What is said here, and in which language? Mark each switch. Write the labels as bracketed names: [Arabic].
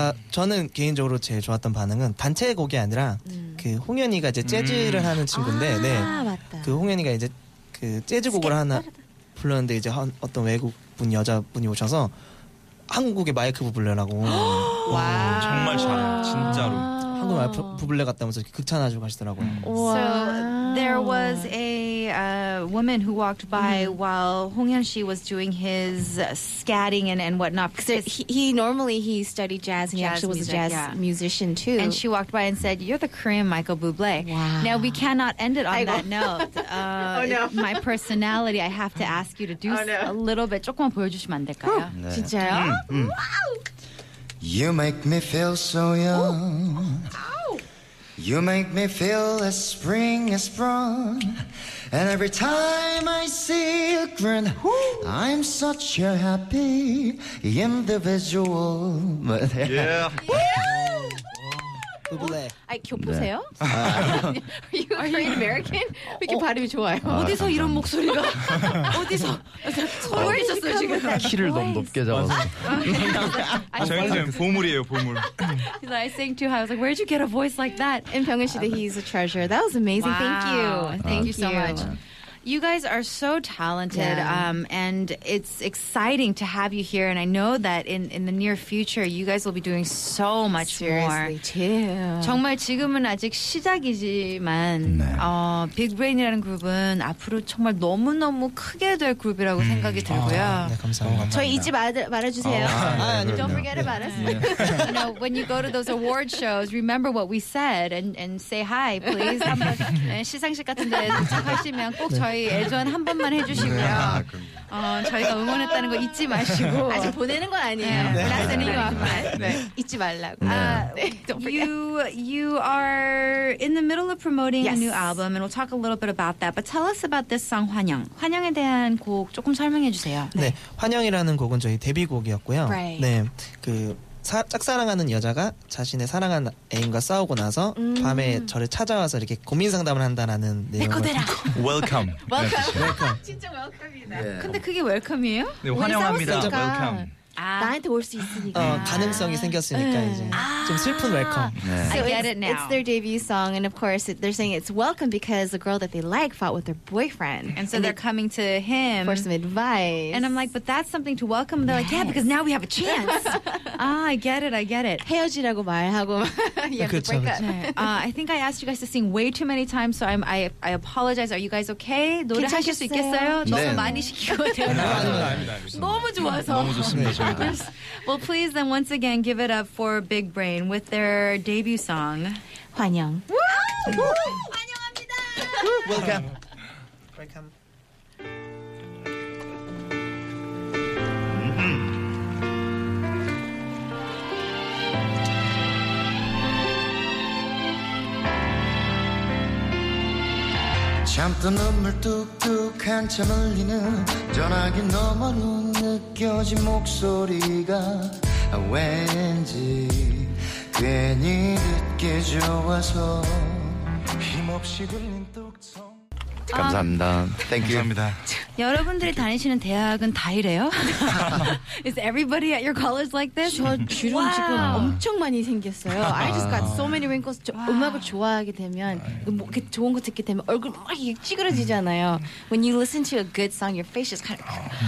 [Korean] 저는 개인적으로 제일 좋았던 반응은 단체 곡이 아니라 그 홍현이가 이제 재즈를 하는 친구인데, 아, 네. 맞다. 그 홍현이가 이제 그 재즈 곡을 하나 불렀는데 이제 어떤 외국 분 여자분이 오셔서 한국의 마이크 부블레라고. 와, 정말 잘해요, 진짜로. 한국 마이크 부블레 갔다면서 극찬해주고 하시더라고요. [English] There was a woman who walked by while Honghyun Shi was doing his scatting and whatnot. Because he normally studied jazz and he actually music, was a jazz musician too. And she walked by and said, "You're the Korean Michael Bublé." Wow. Now we cannot end it on that note. No. My personality, I have to ask you to do a little bit. [Korean] 조금만 보여주시면 안 될까요? 진짜요? [English] You make me feel so young. You make me feel as spring is sprung. And every time I see a grin, I'm such a happy individual. Yeah. I [Korean] 교포세요? [English] Are you Korean American? [Korean] 이렇게 발음이 좋아요. 어디서 이런 목소리가? 어디서? 서울에 있었어요 지금. 키를 너무 높게 잡아서. 저희는 보물이에요, 보물. [English] He's like, I sang too high. I was like, where'd you get a voice like that? And 병은 씨도 he's a treasure. That was amazing. Wow. Thank you. Thank you so much. You guys are so talented, and it's exciting to have you here. And I know that in the near future, you guys will be doing so much more. Seriously, too. [Korean] 정말 지금은 아직 시작이지만, 빅브레인이라는 그룹은 앞으로 정말 너무너무 크게 될 그룹이라고 생각이 들고요. 네, 감사합니다. 저희 잊지 말아주세요. [English] Don't forget about us. You know, when you go to those award shows, remember what we said and say hi, please. [Korean] 시상식 같은 데 하시면 꼭 저희 저희 애전 한 번만 해주시고요. 네. 저희가 응원했다는 거 잊지 마시고. 아직 보내는 건 아니에요. 네. 네. 네. 네. 잊지 말라고. [English] You are in the middle of promoting a new album, and we'll talk a little bit about that. But tell us about this song, 환영. [Korean] 환영에 대한 곡 조금 설명해 주세요. 네. 네, 환영이라는 곡은 저희 데뷔곡이었고요. [English] Right. [Korean] 네, 그 짝사랑하는 여자가 자신의 사랑한 애인과 싸우고 나서 밤에 저를 찾아와서 이렇게 고민 상담을 한다라는 내용을 내 거대라. [English] Welcome. Welcome. [Korean] 진짜 welcome이다. Yeah. 근데 그게 welcome이에요? 네, 환영합니다. Welcome. 아. 나한테 올 수 있으니까 가능성이 생겼으니까 이제 좀 슬픈 웰컴. [English] Yeah. So I get it now. It's their debut song, and of course they're saying it's welcome because the girl that they like fought with their boyfriend, and so they're coming to him for some advice. And I'm like, but that's something to welcome. And they're like, yeah, because now we have a chance. Ah, I get it. I get it. [Korean] 헤어지라고 말하고 [English] yeah, break up. I think I asked you guys to sing way too many times, so I apologize. Are you guys okay? [Korean] 노래하실 수 있겠어요? 너무 많이 시키고 너무 좋아서. 너무 좋습니다. [English] Well, please then once again give it up for Big Brain with their debut song, [Korean] 환영. Woo! Woo! 환영합니다. [English] Welcome. Welcome. [Korean] 눈물 뚝뚝 한참 흘리는 전화기 너머로 느껴진 목소리가 왠지 괜히 듣기 좋아서 힘없이 들린 뚝성. 감사합니다. [English] Thank you. [Korean] 감사합니다. 여러분들이 다니시는 대학은 다 이래요? [English] Is everybody at your college like this? [Korean] 저 주름 지금 엄청 많이 생겼어요. [English] I just got so many wrinkles. [Korean] 저 음악을 좋아하게 되면 이렇게 좋은 거 듣게 되면 얼굴 막 찌그러지잖아요. [English] When you listen to a good song, your face is kind of...